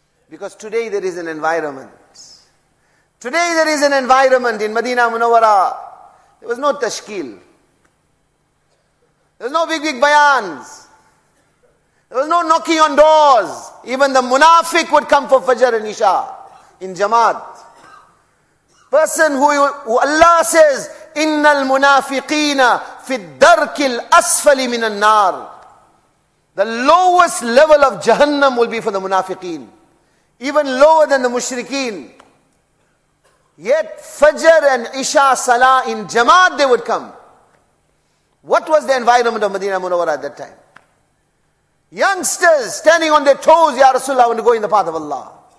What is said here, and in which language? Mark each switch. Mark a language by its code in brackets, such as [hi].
[en] Because today there is an environment. Today there is an environment in Madinah Munawwara. There was no tashkil. There was no big bayans. There was no knocking on doors. Even the munafiq would come for Fajr and Isha in Jamaat. Person who Allah says, [ar] إِنَّ الْمُنَافِقِينَ فِي الدَّرْكِ الْأَسْفَلِ مِنَ النَّارِ. [en] The lowest level of Jahannam will be for the munafiqeen. Even lower than the mushrikeen. Yet Fajr and Isha Salah in Jamaat they would come. What was the environment of Madinah Munawwara at that time? Youngsters standing on their toes, Ya Rasulullah, I want to go in the path of Allah.